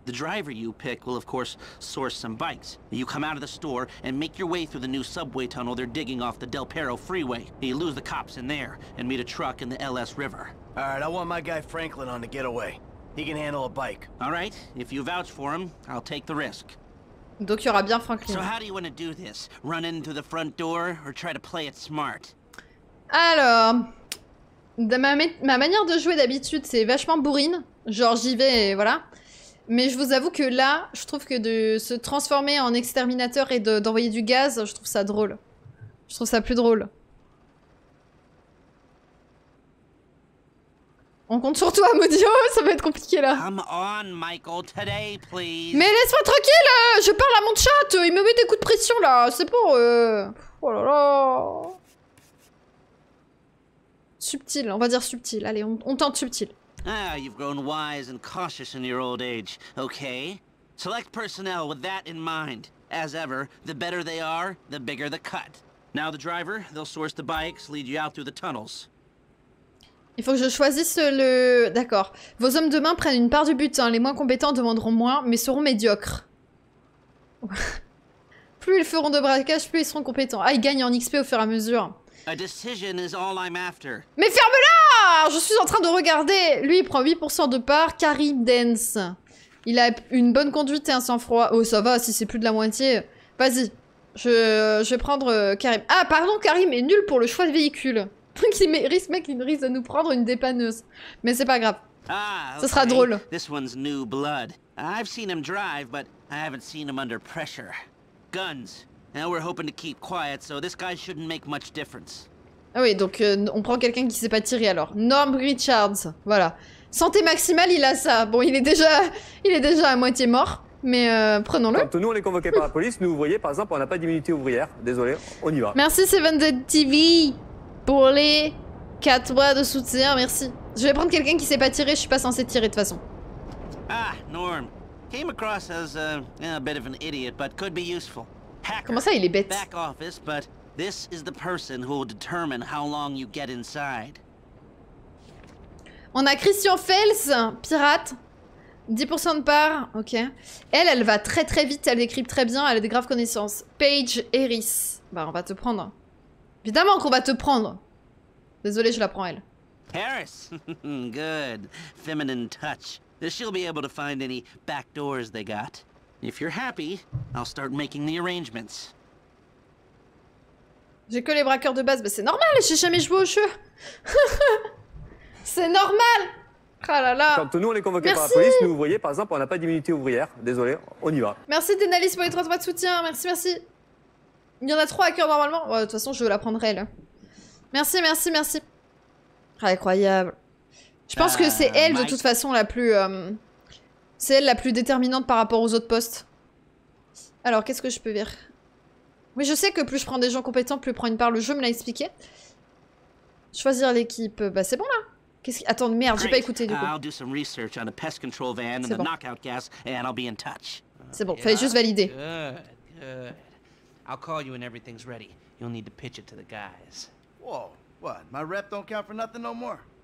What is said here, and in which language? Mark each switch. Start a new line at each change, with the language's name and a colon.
English: The driver you pick will, of course, source some bikes. You come out of the store and make your way through the new subway tunnel they're digging off the Del Perro freeway. You lose the cops in there and meet a truck in the LS River. All right, I want my guy Franklin on the getaway. He can handle a bike. All right, if you vouch for him, I'll take the risk.
French: Donc il y aura bien Franklin.
English: So how do you want to do this? Run in through the front door or try to play it smart?
French: Alors, ma manière de jouer d'habitude, c'est vachement bourrine. Genre j'y vais et voilà. Mais je vous avoue que là, je trouve que de se transformer en exterminateur et d'envoyer du gaz, je trouve ça drôle. Je trouve ça plus drôle. On compte sur toi, Modio, ça va être compliqué là.
English: Come on, Michael, today, please.
French: Mais laisse-moi tranquille, je parle à mon chat, il me met des coups de pression là, c'est pour... Oh là là. Subtil, on va dire subtil, allez, on tente subtil.
English: Ah, you've grown wise and cautious in your old age, okay? Select personnel with that in mind. As ever, the better they are, the bigger the cut. Now the driver, they'll source the bikes, lead you out through the tunnels.
French: Il faut que je choisisse le... D'accord. Vos hommes de main prennent une part du butin. Les moins compétents demanderont moins, mais seront médiocres. Plus ils feront de braquage, plus ils seront compétents. Ah, ils gagnent en XP au fur et à mesure.
English: A decision is all I'm after.
French: Mais ferme-la ! Je suis en train de regarder. Lui, il prend 8% de part. Karim Dance. Il a une bonne conduite et un sang-froid. Oh, ça va, si c'est plus de la moitié. Vas-y. Je vais prendre Karim. Ah, pardon, Karim est nul pour le choix de véhicule. Il risque de nous prendre une dépanneuse. Mais c'est pas grave. Ah, ce sera drôle.
English: This one's new blood. I've seen him drive, but I haven't seen him under pressure. Guns. Now we're hoping to keep quiet, so this guy shouldn't make much difference.
French: Ah oui, donc on prend quelqu'un qui sait pas tirer alors. Norm Richards. Voilà. Santé maximale, il a ça. Bon, il est déjà à moitié mort. Mais prenons-le. Quand nous, on est convoqué par la police, nous, vous voyez, par exemple, on n'a pas d'immunité ouvrière. Désolé, on y va. Merci, Seven Dead TV. Pour les 4 mois de soutien, merci. Je vais prendre quelqu'un qui sait pas tirer, je suis pas censé tirer de toute façon. Ah, Norm.
English: Came across as a bit of an idiot, but could be useful. Hacker.
French: Comment ça, il est bête?
English: Back office, but this is the person who will determine how long you get inside.
French: On a Christian Fels, pirate. 10% de part, ok. Elle, elle va très très vite, elle écrit très bien, elle a des graves connaissances. Paige Harris. Bah, on va te prendre. Évidemment qu'on va te prendre. Désolée, je la prends, elle.
English: Harris. Good. Feminine touch. She'll be able to find any back doors they got. If you're happy, I'll start making the arrangements.
French: J'ai que les braqueurs de base. Bah, c'est normal, j'ai jamais joué au jeu. C'est normal. Ah là là. Quand nous, on est convoqués par la police, nous, vous voyez, par exemple, on n'a pas d'immunité ouvrière. Désolé, on y va. Merci, Denalis, pour les 3 mois de soutien. Merci, merci. Il y en a 3 à cœur, normalement. Bon, de toute façon, je la prendrai, là. Merci, merci, merci. Ah, incroyable. Je pense que c'est elle, de toute façon, la plus... c'est elle la plus déterminante par rapport aux autres postes. Alors, qu'est-ce que je peux dire? Oui, je sais que plus je prends des gens compétents, plus je prends une part. Le jeu me l'a expliqué. Choisir l'équipe. Bah, c'est bon, là. Qu'est-ce qui... Attends, merde, j'ai pas écouté, du coup.
English: I'll do some research on the pest control van and the knockout gas, and I'll be in touch.
French: C'est bon, fallait juste valider.
English: Good, good. I'll call you when everything's ready. You'll need to pitch it to the guys. Whoa, what? My rep don't count for nothing no more?